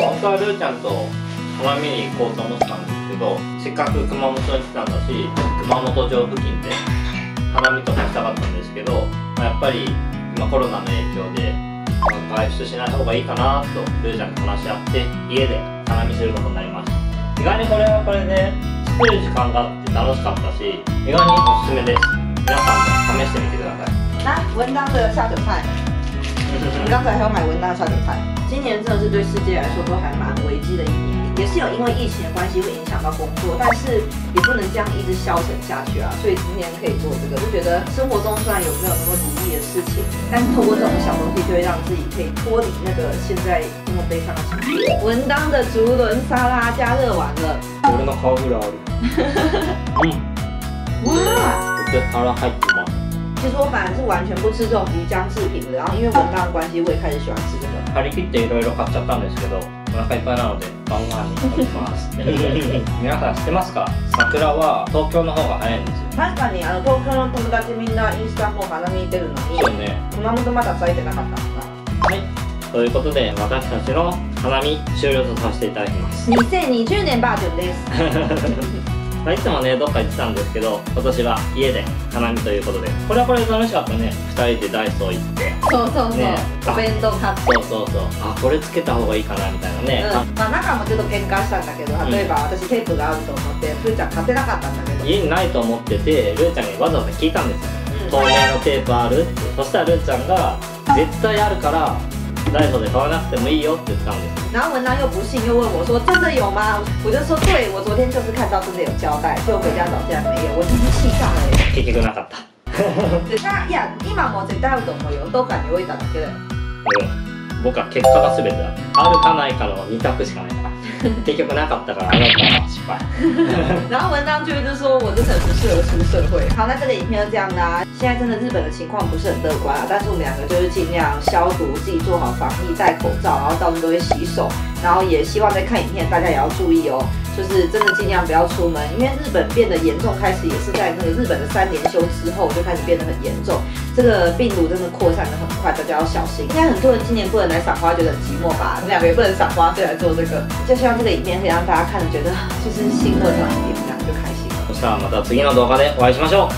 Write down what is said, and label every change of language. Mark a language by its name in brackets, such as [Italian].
[Japanese] 本当はルーちゃんと花見に行こうと思ってたんですけど、せっかく熊本に来たんだし、熊本城付近で花見とかしたかったんですけど、まあ、やっぱり今コロナの影響で外出しない方がいいかなとルーちゃんと話し合って、家で花見することになりました。意外にこれはこれで作る時間があって楽しかったし、意外におすすめです。皆さんも試してみてください。 [Chinese] 那文章的下酒菜，你刚才还要买文章的下酒菜。今年真的是对世界来说都还蛮危机的一年，也是有因为疫情的关系会影响到工作，但是也不能这样一直消沉下去啊。所以今年可以做这个，就觉得生活中虽然有没有那么如意的事情，但是透过这种小东西，就会让自己可以脱离那个现在那么悲伤的情绪。文章的竹轮沙拉加热完了。 [Japanese] 俺の顔ぐらいある。うん。哇。お客さん入ってます。 [Chinese] 其实我本来是完全不吃这种鱼浆制品的，然后因为文章的关系，我也开始喜欢吃这个。 [Japanese] 張り切っていろいろ買っちゃったんですけど、お腹いっぱいなので晩ご飯に食べます。皆さん知ってますか、桜は東京の方が早いんですよ。確かに、あの東京の友達みんなインスタも花見てるのに、そうね、熊本まだ咲いてなかったんだ。はい、ということで私たちの花見終了とさせていただきます。 2020年バージョンです。いつもね、どっか行ってたんですけど、今年は家で花見ということで、これはこれで楽しかったね。 2人でダイソー行って、そうそうそう、ね、お弁当買って、そうそうそう、あ、これつけた方がいいかなみたいなね、うん、まあ中もちょっと喧嘩したんだけど、例えば私テープがあると思って、うん、ルーちゃん買ってなかったんだけど、家にないと思っててルーちゃんにわざわざ聞いたんですよ、うん、透明のテープあるって。そしたらルーちゃんが絶対あるからダイソーで買わなくてもいいよって言ったんです。 [Chinese] 然后文章又不信，又问我说：“真的有吗？” 我就说：“对，我昨天就是看到真的有胶带，就回家找，竟然没有，我真是气炸了耶！” [Japanese] 結局なかった。絶対、いや、今も絶対あると思うよ。どうかに置いただけだよ。うん、僕は結果が全てだ。あるかないかの二択しかないから。結局なかったから、あなたは失敗。 [Chinese] 然后文章就一直说：“我真的很不适合出社会。” 好，那这个影片就这样啦。现在真的日本的情况不是很乐观啊，但是我们两个就是尽量消毒，自己做好防疫，戴口罩，然后到处都会洗手，然后也希望在看影片大家也要注意哦，就是真的尽量不要出门，因为日本变得严重开始也是在那个日本的三连休之后就开始变得很严重，这个病毒真的扩散得很快，大家要小心。应该很多人今年不能来赏花觉得很寂寞吧，我们两个也不能赏花就来做这个，就希望这个影片可以让大家看觉得就是心乐暖一点，这样就开心。 [Japanese] さあ、また次の動画でお会いしましょう。